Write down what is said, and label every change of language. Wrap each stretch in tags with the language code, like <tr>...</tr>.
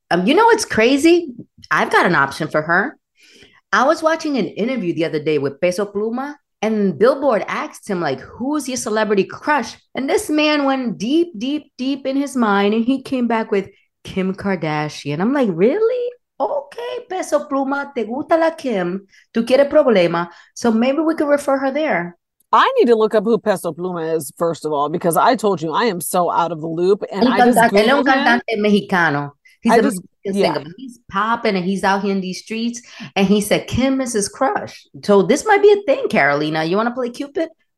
<en>You know what's crazy? I've got an option for her. I was watching an interview the other day with Peso Pluma and Billboard asked him like, who's your celebrity crush? And this man went deep, deep, deep in his mind and he came back with Kim Kardashian. I'm like, really?</en> <es>Okay, Peso Pluma, te gusta la Kim, tu quieres problema.</es> <en>So maybe we could refer her there. I need to look up who Peso Pluma is, first of all, because I told you I am so out of the loop. And</en> <es>cantante mexicano.</es> <en>He's popping and he's out here in these streets. And he said, Kim is his crush. So this might be a thing, Carolina. You want to play Cupid?</en>